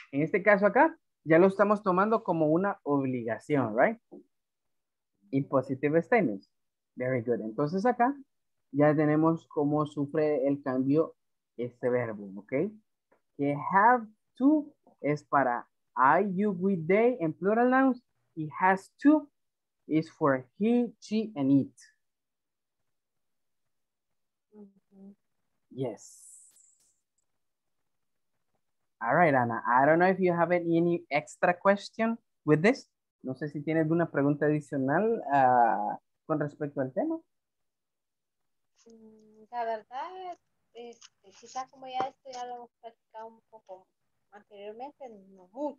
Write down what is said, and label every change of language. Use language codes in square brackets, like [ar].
[es] En este caso acá, ya lo estamos tomando como una obligación, right? [en] In positive statements. Very good. [es] Entonces acá, ya tenemos cómo sufre el cambio este verbo, okay? Que [en] have to [es] es para [en] I, you, we, they, and plural nouns. He has to is for he, she, and it. Mm-hmm. Yes. All right, Ana. I don't know if you have any extra question with this. [es] No sé si tiene alguna pregunta adicional con respecto al tema. La verdad, quizás como ya lo hemos practicado un poco anteriormente, no mucho.